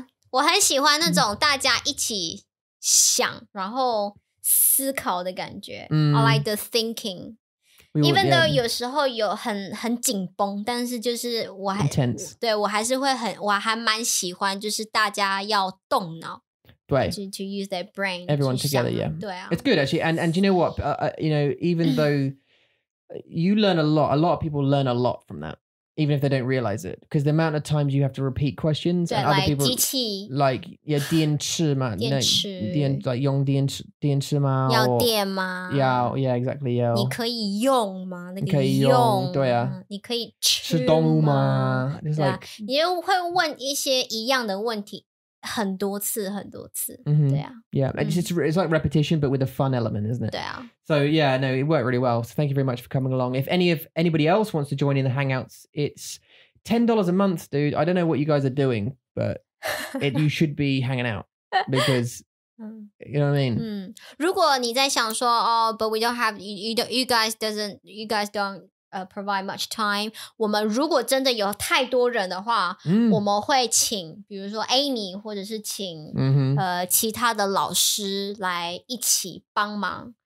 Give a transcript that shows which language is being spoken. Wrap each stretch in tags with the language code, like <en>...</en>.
<zh>我很喜欢那种大家一起想，然后思考的感觉。</zh> <en>I like the thinking. Even though</en> <zh>有时候有很紧绷，但是就是我还。</zh> <en>Intense.</en> <zh>对，我还是会很，我还蛮喜欢就是大家要动脑。</zh> <en>To use their brain. Everyone together, yeah.</en> <zh>对啊。</zh> <en>It's good, actually. And you know what? You know, even though you learn a lot of people learn a lot from that, even if they don't realize it. Because the amount of times you have to repeat questions, and other people...</en> <zh>机器。 Like, yeah, 电池嘛。电池。电like 用电池嘛。要电吗？</zh> <en>Yeah, exactly, yeah.</en> <zh>你可以用吗？你可以用。对啊。你可以吃动物吗？对啊。你会问一些一样的问题。很多次，很多次，对啊。</zh> <en>Yeah, it's like repetition, but with a fun element, isn't it?</en> <zh>对啊。</zh> <en>So yeah, no, it worked really well. So thank you very much for coming along. If anybody else wants to join in the hangouts, it's $10 a month, dude. I don't know what you guys are doing, but you should be hanging out because, you know what I mean?</en> <zh>如果你在想说,</zh> <en>oh, but we don't have, you guys don't,provide much time.</en> <zh>我们如果真的有太多人的话，我们会请，比如说 Amy， 或者是请其他的老师来一起帮忙，</zh>